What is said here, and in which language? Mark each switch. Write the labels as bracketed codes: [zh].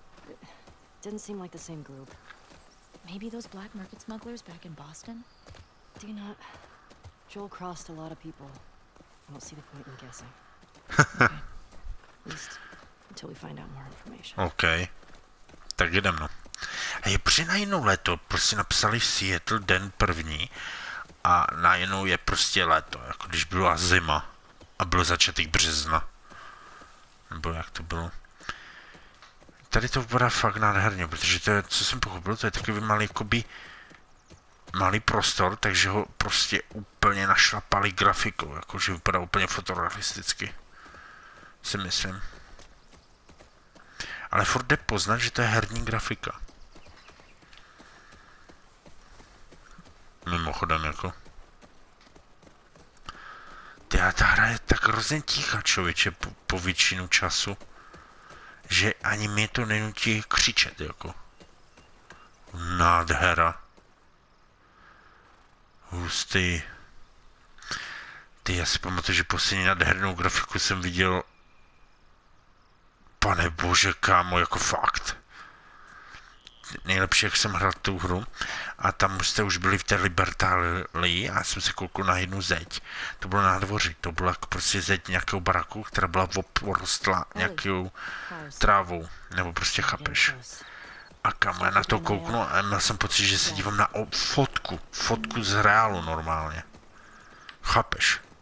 [en] It didn't seem like the same group. Maybe those black market smugglers back in Boston? Do you not? Joel crossed a lot of people. I don't see the point in guessing. Okay. At least until we find out more information. [cs] Okay. Tak jdem, no. A je přinajednou léto. Prostě napsali Seattle den první. A najednou je prostě léto. Jako když byla zima. A byl začátek března. Nebo jak to bylo. Tady to vypadá fakt nádherně, protože to je, co jsem pochopil, to je takový malý, jakoby, malý prostor, takže ho prostě úplně našlapali grafikou, jakože vypadá úplně fotorealisticky. Si myslím. Ale furt jde poznat, že to je herní grafika. Mimochodem, jako. A ta hra je tak hrozně tichá, člověče, po většinu času, že ani mě to nenutí křičet, jako. Nádhera. Hustý. Ty, já si pamatuju, že poslední nádhernou grafiku jsem viděl. Pane bože, kámo, jako fakt. Nejlepší, jak jsem hrál tu hru a tam jste už byli v té Libertalii a jsem se koukl na jednu zeď. To bylo na dvoři, to byla jako prostě zeď nějakého baraku, která byla oprostla nějakou trávou, nebo prostě chápeš. A kam já na to kouknu a měl jsem pocit, že se dívám na fotku z reálu normálně. Chápeš.